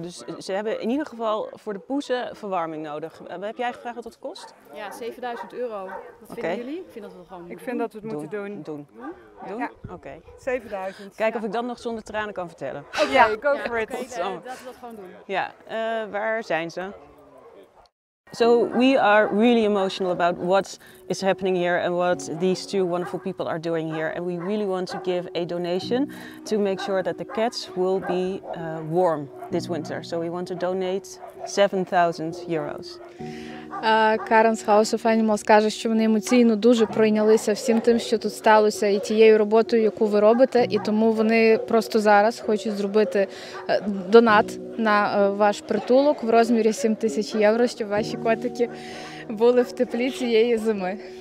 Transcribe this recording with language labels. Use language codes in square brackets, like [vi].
[nl] Dus ze hebben in ieder geval voor de poezen verwarming nodig. Heb jij gevraagd wat dat kost? Ja, 7000 euro. Wat vinden jullie? Ik vind dat we gewoon moeten Ik vind Dat we het moeten doen. Doen? Doen? Ja. Oké. 7000. Kijken of ik dan nog zonder tranen kan vertellen. Oké, [en] go for it. [nl] Laten we dat gewoon doen. Ja, waar zijn ze? [en] So we are really emotional about what is happening here and what these two wonderful people are doing here. And we really want to give a donation to make sure that the cats will be warm this winter. So we want to donate 7,000 euros. [uk] Karen's House of Animals каже, що вони емоційно дуже прийнялися всім тим, що тут сталося, і тією роботою, яку ви робите. І тому вони просто зараз хочуть зробити донат на ваш притулок в розмірі 7000 євро, щоб ваші котики були в теплі цієї зими.